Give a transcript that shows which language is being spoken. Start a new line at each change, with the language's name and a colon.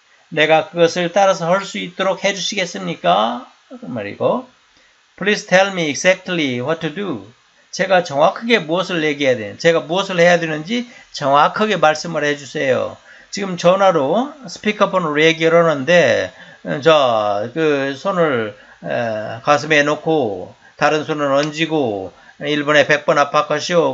Korean: 내가 그것을 따라서 할 수 있도록 해주시겠습니까? 그 말이고,
English: Please tell me exactly what to do.
Korean: 제가 정확하게 무엇을 얘기해야 되는, 제가 무엇을 해야 되는지 정확하게 말씀을 해주세요. 지금 전화로 스피커폰으로 얘기를 하는데, 자, 그 손을 가슴에 놓고 다른 손을 얹고 1분에 100번 압박하시오.